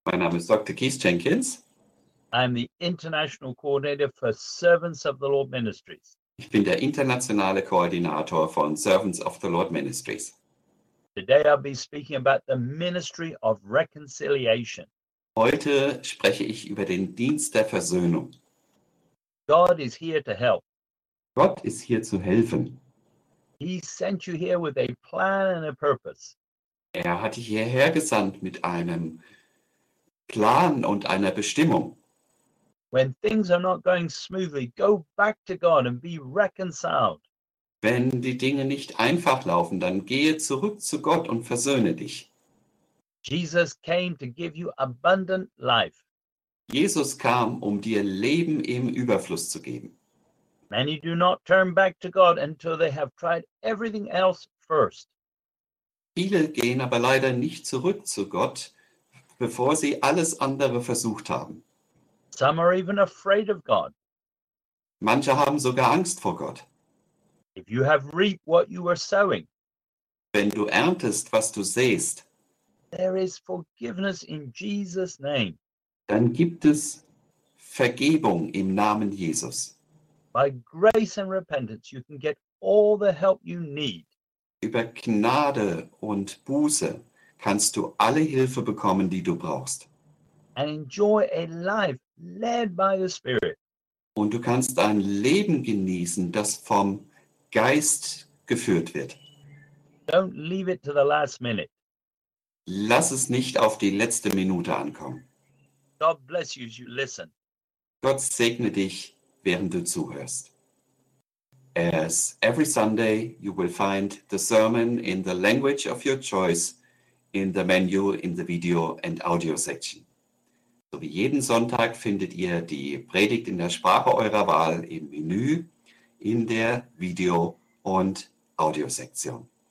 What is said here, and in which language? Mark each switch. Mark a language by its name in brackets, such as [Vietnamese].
[German] Mein Name ist Dr. Keith Jenkins. [English] I'm the International Coordinator for Servants of the Lord Ministries. [German] Ich bin der internationale Koordinator von Servants of the Lord Ministries. [English] Today I'll be speaking about the Ministry of Reconciliation. [German] Heute spreche ich über den Dienst der Versöhnung. [English] God is here to help. [German] Gott ist hier zu helfen. [English] He sent you here with a plan and a purpose. [German] Er hat dich hierher gesandt mit einem Plan und einer Bestimmung. [English] When things are not going smoothly, go back to God and be reconciled. [German] Wenn die Dinge nicht einfach laufen, dann gehe zurück zu Gott und versöhne dich. [English] Jesus came to give you abundant life. [German] Jesus kam, um dir Leben im Überfluss zu geben. [English] Many do not turn back to God until they have tried everything else first. [German] Viele gehen aber leider nicht zurück zu Gott, bevor sie alles andere versucht haben. [English] Some are even afraid of God. [German] Manche haben sogar Angst vor Gott. [English] If you have reaped what you are sowing, [German] wenn du erntest, was du sähst, [English] there is forgiveness in Jesus' name. [German] Dann gibt es Vergebung im Namen Jesus. [English] By grace and repentance, you can get all the help you need. [German] Über Gnade und Buße kannst du alle Hilfe bekommen, die du brauchst. [English] And enjoy a life led by the Spirit. [German] Und du kannst ein Leben genießen, das vom Geist geführt wird. [English] Don't leave it to the last minute. [German] Lass es nicht auf die letzte Minute ankommen. [English] God bless you as you listen. [German] Gott segne dich, während du zuhörst. [English] As every Sunday, you will find the sermon in the language of your choice in the menu in the video and audio section. [German] So wie jeden Sonntag findet ihr die Predigt in der Sprache eurer Wahl im Menü in der Video- und Audio-Sektion.